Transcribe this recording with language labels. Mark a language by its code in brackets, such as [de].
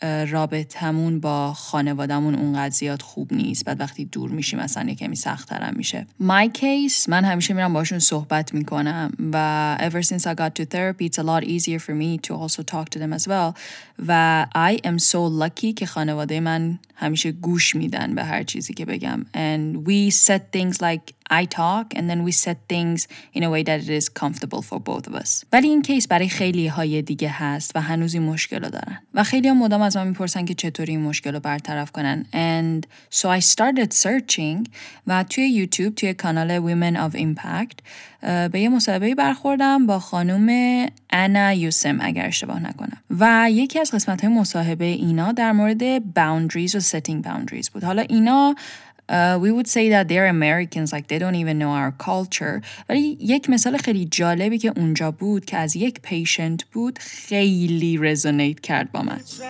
[fa] رابطمون با خانوادمون اونقدر زیاد خوب نیست، بعد وقتی دور میشیم اصلا یه کمی سخت‌ترم میشه. [en] My case، [fa] من همیشه میرم باشون صحبت میکنم و [en] ever since I got to therapy it's a lot easier for me to also talk to them as well. [fa] و [en] I am so lucky [fa] که خانواده من همیشه گوش میدن به هر چیزی که بگم. [en] And we set things like I talk and then we set things in a way that it is comfortable for both of us. [fa] ولی این کیس برای خیلی های دیگه هست و هنوز این مشکل رو دارن و خیلی هم مدام از من میپرسن که چطوری این مشکل رو برطرف کنن. [en] And so I started searching [fa] و توی یوتیوب توی کانال Women of Impact به یه مصاحبه برخوردم با خانم انا یوسم اگر اشتباه نکنم و یکی از قسمت‌های مصاحبه اینا در مورد boundaries و setting boundaries بود. حالا اینا [en] we would say that they're Americans, like they don't even know our culture. [fa] ولی یک مثال خیلی جالبی که اونجا بود که از یک پیشنت بود خیلی رزونیت کرد با من.